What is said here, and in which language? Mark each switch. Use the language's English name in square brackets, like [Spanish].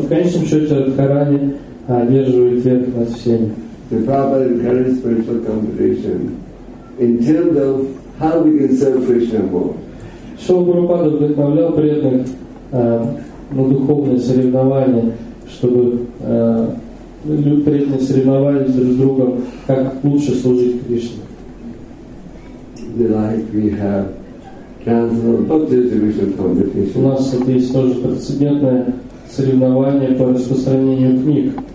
[Russian] в конечном счете Радхарани одерживает верх над всеми. [English] The Prabhupada encouraged spiritual competition in terms of how we can serve Krishna more. [Russian] Шрила Прабхупада вдохновлял преданных на духовные соревнования, чтобы люди преданные соревновались друг с другом, как лучше служить Кришне. У нас это есть тоже прецедентное соревнование по распространению книг.